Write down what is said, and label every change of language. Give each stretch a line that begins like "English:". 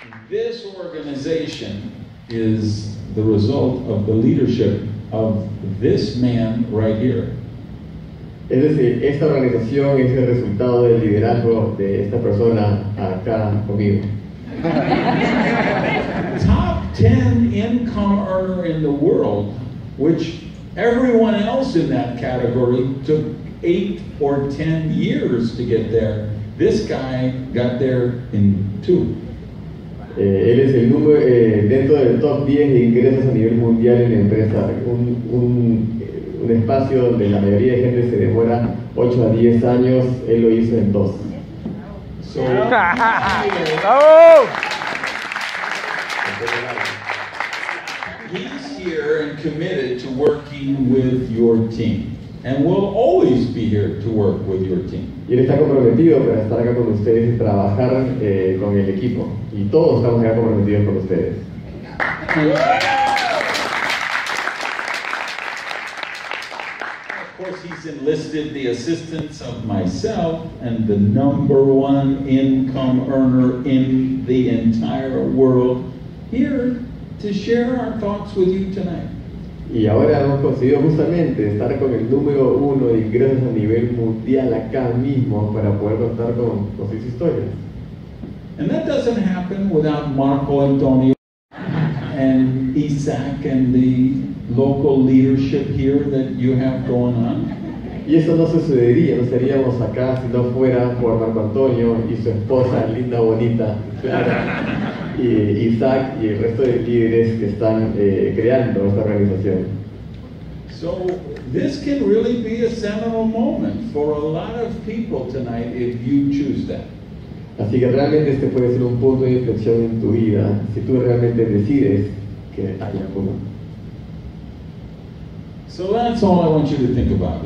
English: This organization is the result of the leadership of this man right here.
Spanish: Es decir, esta organización es el resultado del liderazgo de esta persona acá conmigo.
English: Top 10 income earner in the world, which everyone else in that category took 8 or 10 years to get there. This guy got there in 2.
Spanish: Él es el número dentro del top 10 de ingresos a nivel mundial en la empresa. Un espacio donde la mayoría de gente se demora 8 a 10 años, él lo hizo en 2.
English: So, he's here and committed to working with your team. And will always be here to work with your team.
Spanish: Y él está comprometido para estar acá con ustedes y trabajar con el equipo. Y todos estamos acá comprometidos con ustedes.
English: Enlisted the assistance of myself and the number one income earner in the entire world here to share our thoughts with you tonight.
Spanish: Y ahora hemos conseguido justamente estar con el número uno de ingresos a nivel mundial acá mismo para poder contar con sus historias.
English: And that doesn't happen without Marco Antonio and Isaac and the local leadership here that you have going on.
Spanish: Y eso no sucedería, no estaríamos acá si no fuera por Marco Antonio y su esposa linda, bonita, Clara, y Isaac y el resto de líderes que están creando esta organización.
English: So this can really be a seminal moment for a lot of people tonight if you choose that.
Spanish: Así que realmente este puede ser un punto de inflexión en tu vida si tú realmente decides que hay alguno.
English: So that's all I want you to think about.